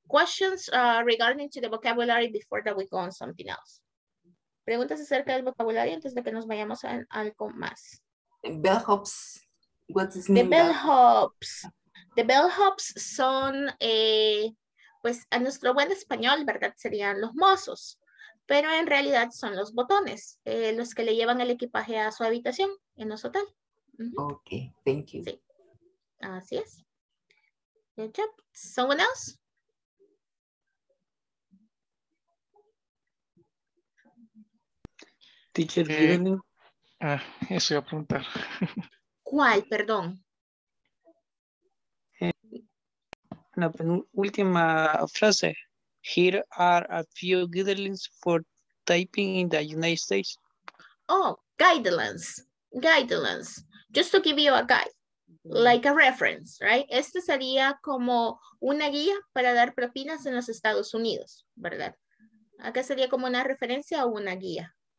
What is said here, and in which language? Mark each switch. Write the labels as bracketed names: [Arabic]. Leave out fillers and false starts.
[English] Questions regarding to the vocabulary before that we go on something else. [Spanish] Preguntas acerca del vocabulario antes de que nos vayamos a algo más. [English] Bell hops. What does it mean? The bell hops. The bell hops [Spanish] son, pues, a nuestro buen español, ¿verdad? Serían los mozos. Pero en realidad son los botones, los que le llevan el equipaje a su habitación en los hotel. [English] Mm-hmm. Ok, thank you. [Spanish] Sí, así es. [English] Good job. Someone else? [Spanish] Teacher, ¿qué viene? Eso iba a preguntar. ¿Cuál, perdón? La penúltima frase. [English] Here are a few guidelines for typing in the United States. Oh, guidelines. Just to give you a guide, like a reference, right? [Spanish] Este sería como una guía para dar propinas en los Estados Unidos, ¿verdad? Acá sería como una referencia o una guía.